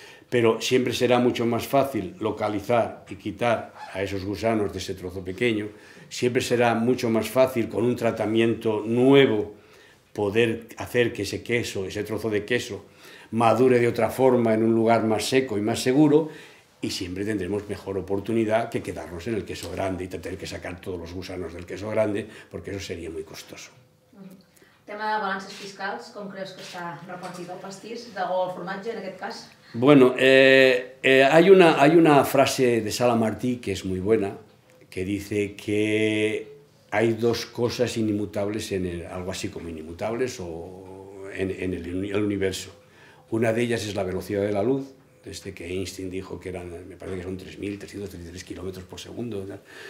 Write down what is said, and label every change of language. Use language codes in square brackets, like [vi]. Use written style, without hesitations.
[es] Pero siempre será mucho más fácil localizar y quitar a esos gusanos de ese trozo pequeño, siempre será mucho más fácil con un tratamiento nuevo poder hacer que ese queso, ese trozo de queso, madure de otra forma en un lugar más seco y más seguro, y siempre tendremos mejor oportunidad que quedarnos en el queso grande y tener que sacar todos los gusanos del queso grande, porque eso sería muy costoso. [ca] Tema de balances fiscals, ¿com creus que està repartit el pastís o el formatge en aquest cas? [es] Bueno, hay una frase de Sala Martí que es muy buena, que dice que hay dos cosas inmutables, algo así como inmutables, o en el universo. Una de ellas es la velocidad de la luz, desde que Einstein dijo que eran, me parece que son 3.333 kilómetros por segundo, ¿verdad?